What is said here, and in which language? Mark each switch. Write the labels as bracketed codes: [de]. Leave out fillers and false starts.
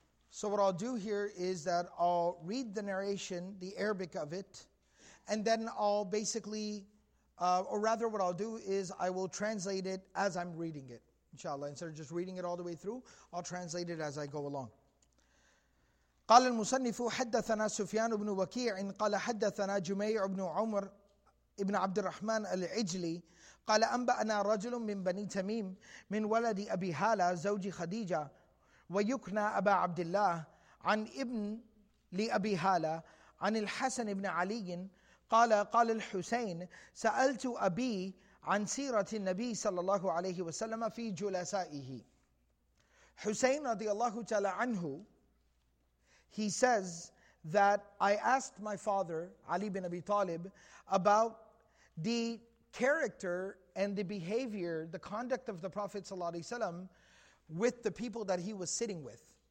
[en] So what I'll do here is that I'll read the narration, the Arabic of it, and then I'll basically, what I'll do is I will translate it as I'm reading it, inshallah. Instead of just reading it all the way through, I'll translate it as I go along. [ar] قال المصنف حدثنا سفيان بن وكيع قال حدثنا جميع بن عمر ابن عبد الرحمن العجلي قال أنبأنا رجل من بني تميم من ولد أبي هالة زوج خديجة ويكنى أبا عبد الله عن ابن لأبي هالة عن الحسن بن علي قال الحسين سألت أبي عن سيرة النبي صلى الله عليه وسلم في جلسائه. حسين رضي الله تعالى عنه, [en] he says that I asked my father Ali bin Abi Talib about the character and the behavior, the conduct of the Prophet ﷺ with the people that he was sitting with.